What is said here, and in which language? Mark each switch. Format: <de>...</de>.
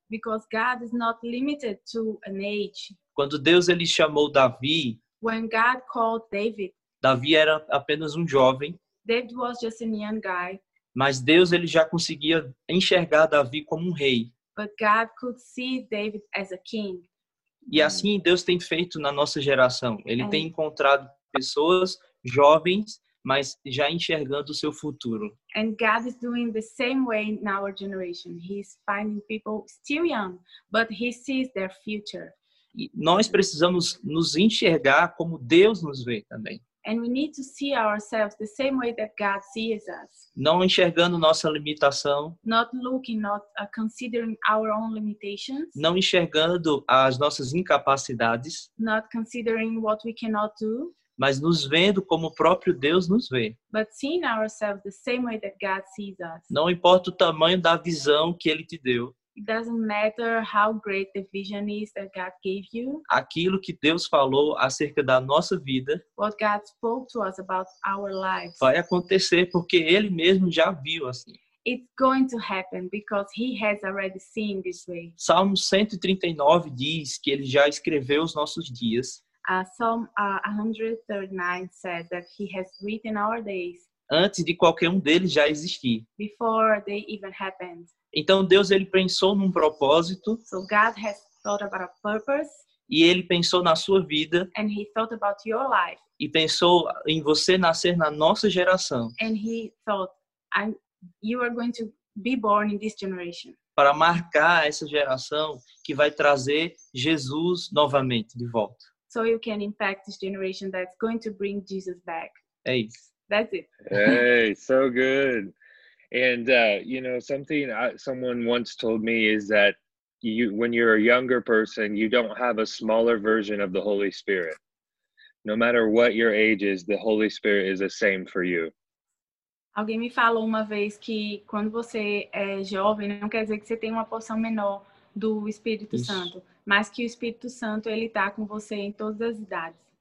<en>Because God is not limited to an age.</en> <pt>Quando Deus ele chamou Davi,</pt> <en>when God called David,</en> <pt>Davi era apenas um jovem.</pt> <en>David was just a young guy.</en> <pt>Mas Deus ele já conseguia enxergar Davi como um rei.</pt> <en>But God could see David as a king.</en> <pt>E assim Deus tem feito na nossa geração. Ele tem encontrado pessoas jovens, mas já enxergando o seu futuro.</pt> <en>And God is doing the same way in our generation. He's finding people still young, but he sees their future.</en> <pt>E nós precisamos nos enxergar como Deus nos vê também.</pt> <en>And we need to see ourselves the same way that God sees us.</en> <pt>Não enxergando nossa limitação.</pt> <en>Not looking, not considering our own limitations.</en> <pt>Não enxergando as nossas incapacidades.</pt> <en>Not considering what we cannot do.</en> <pt>Mas nos vendo como o próprio Deus nos vê.</pt> <en>But seeing ourselves the same way that God sees us.</en> <pt>Não importa o tamanho da visão que ele te deu.</pt> <en>It doesn't matter how great the vision is that God gave you.</en> <pt>Aquilo que Deus falou acerca da nossa vida.</pt> <en>What God spoke to us about our lives.</en> <pt>Vai acontecer porque ele mesmo já viu assim.</pt> <en>It's going to happen because he has already seen this way.</en> <pt>Salmo 139 diz que ele já escreveu os nossos dias.</pt> <en>Psalm 139 says that he has written our days.</en> <pt>Antes de qualquer um deles já existir.</pt> <en>Before they even happened.</en> <pt>Então Deus ele pensou num propósito.</pt> <en>So God has thought about a purpose.</en> <pt>E ele pensou na sua vida.</pt> <en>And he thought about your life.</en> <pt>E pensou em você nascer na nossa geração.</pt> <en>And he thought, you are going to be born in this generation.</en> <pt>Para marcar essa geração que vai trazer Jesus novamente de volta.</pt> <en>So you can impact this generation that's going to bring Jesus back.</en> <pt>É isso.</pt> <en>That's it. Hey, so good. And, you know, something someone once told me is that you, when you're a younger person, you don't have a smaller version of the Holy Spirit. No matter what your age is, the Holy Spirit is the same for you.</en> <pt>Alguém me falou uma vez que quando você é jovem, não quer dizer que você tem uma porção menor do Espírito Isso. Santo, mas que o Espírito Santo, ele tá com você em todas as idades.</pt>